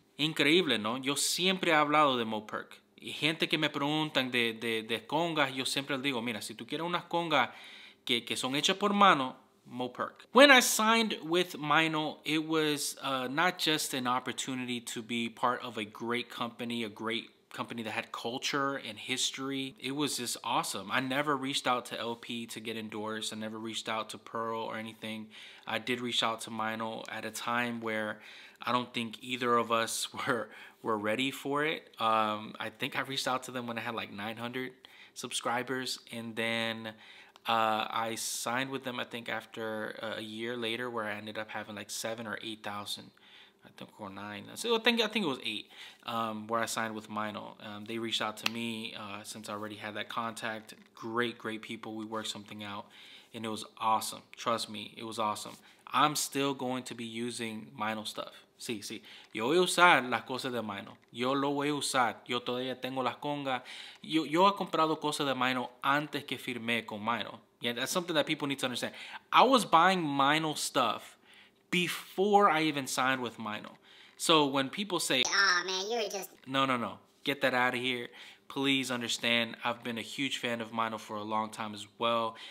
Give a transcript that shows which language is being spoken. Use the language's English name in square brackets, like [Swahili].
[Spanish] Increíble, ¿no? Yo siempre he hablado de Moperk. Y gente que me preguntan de congas, yo siempre les digo, mira, si tú quieres unas congas que son hechas por mano, Mopurk. [English] When I signed with Meinl, it was not just an opportunity to be part of a great company that had culture and history. It was just awesome. I never reached out to LP to get endorsed. I never reached out to Pearl or anything. I did reach out to Meinl at a time where I don't think either of us were ready for it. I think I reached out to them when I had like 900 subscribers, and then I signed with them, I think, after a year later, where I ended up having like 7 or 8,000, I think, or 9. So I think it was 8, where I signed with Meinl. They reached out to me since I already had that contact. Great people. We worked something out, and it was awesome. Trust me, it was awesome. I'm still going to be using Meinl stuff. [Spanish] Sí. Yo voy a usar las cosas de Meinl. Yo lo voy a usar. Yo todavía tengo las congas. Yo he comprado cosas de Meinl antes que firmé con Meinl. [English] Yeah, that's something that people need to understand. I was buying Meinl stuff before I even signed with Meinl. So when people say, "Ah, man, you're just..." No. Get that out of here. Please understand, I've been a huge fan of Meinl for a long time as well.